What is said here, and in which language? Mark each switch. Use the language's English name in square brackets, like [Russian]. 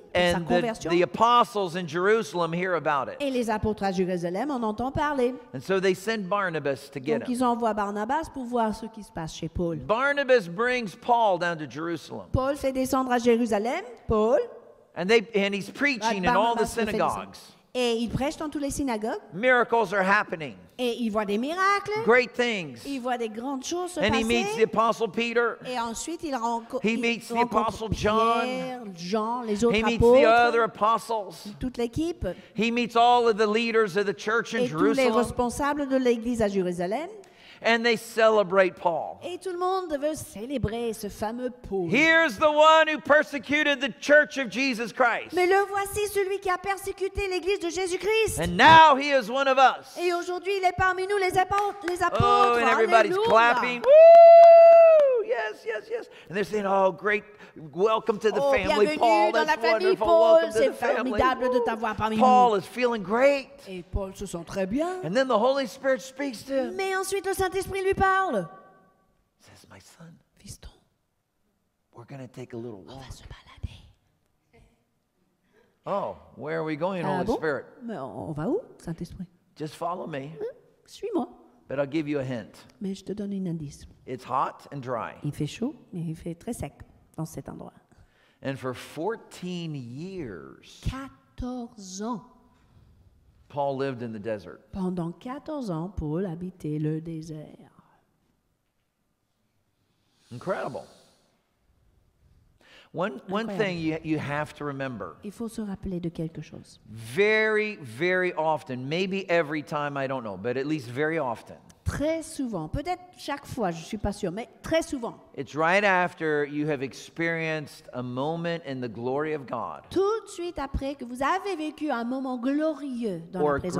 [English] and [French] sa conversion. [English] And the apostles in Jerusalem hear about it. [French] Et les apôtres à Jérusalem en entendent parler. [English] And so they send Barnabas to get [French] donc [English] him. [French] Ils envoient Barnabas pour voir ce qui se passe chez Paul. [English] Barnabas brings Paul down to Jerusalem. [French] Paul fait descendre à Jérusalem, Paul. [English] And he's preaching in all the synagogues. [French] Et il prêche dans tous les synagogues. [English] Miracles are happening. [French] Et il voit des miracles. [English] Great things. [French] Il voit des grandes choses se [English] and [French] passer. [English] He meets the Apostle Peter. [French] Et ensuite, il rencontre [English] he meets the Apostle [French] Pierre, [English] John, [French] les autres [English] he meets [French] apôtres, [English] the other apostles. [French] Toute l'équipe. [English] He meets all of the leaders of the church in [French] et [English] Jerusalem. [French] Tous les responsables de l'église à Jérusalem. [English] And they celebrate Paul. [French] Et tout le monde veut célébrer ce fameux Paul. [English] Here's the one who persecuted the church of Jesus Christ. [French] Mais le voici celui qui a persécuté l'église de Jésus-Christ. [English] And now he is one of us. [French] Et aujourd'hui il est parmi nous les apôtres. [English] Oh, and everybody's [French] alléluia. [English] Clapping. Woo! Yes, yes, yes. And they're saying, "Oh, great. Welcome to the oh, family, Paul. [French] Dans [English] that's [French] la famille, [English] wonderful. Paul, welcome to the family." [French] C'est formidable de t'avoir parmi nous. [English] Paul is feeling great. [French] Et Paul se sent très bien. [English] And then the Holy Spirit speaks to him. [French] Mais ensuite le Saint-Esprit lui parle. [English] Says, "My son, [French] fiston, [English] we're going to take a little walk." [French] On va se balader. [English] Oh, where are we going, Holy [French] bon? [English] Spirit? [French] Mais on va où, Saint-Esprit? [English] Just follow me. [French] Suis-moi. [English] But I'll give you a hint. [French] Mais je te donne une indice. [English] It's hot and dry. [French] Il fait chaud, mais il fait très sec. Dans cet endroit. [English] And for 14 years, [French] 14 ans, [English] Paul lived in the desert. [French] Pendant 14 ans, Paul habitait le désert. [English] Incredible. One thing you have to remember. [French] Il faut se rappeler de quelque chose. [English] Very, very often, maybe every time, I don't know, but at least very often. [French] Très souvent, peut-être chaque fois, je suis pas sûr, mais très souvent. [English] It's right after you have experienced a moment in the glory of God. [French] Tout de suite après que vous avez vécu un moment glorieux dans la présence de Dieu.